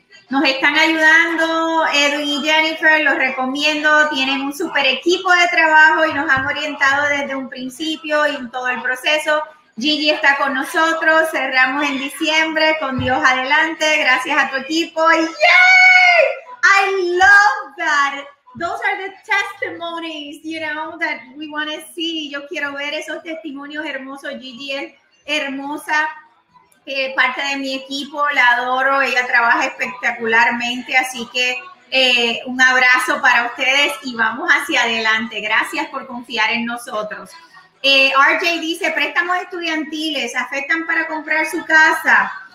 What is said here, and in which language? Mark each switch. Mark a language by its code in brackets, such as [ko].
[es] Nos están ayudando Edwin y Jennifer, los recomiendo, tienen un super equipo de trabajo y nos han orientado desde un principio y en todo el proceso. Gigi está con nosotros, cerramos en diciembre, con Dios adelante, gracias a tu equipo. [en] ¡Yay! ¡I love that! Those are the testimonies, you know, that we want to see. [es] Yo quiero ver esos testimonios hermosos. Gigi es hermosa, parte de mi equipo, la adoro. Ella trabaja espectacularmente, así que un abrazo para ustedes y vamos hacia adelante. Gracias por confiar en nosotros. RJ dice, préstamos estudiantiles, ¿afectan para comprar su casa?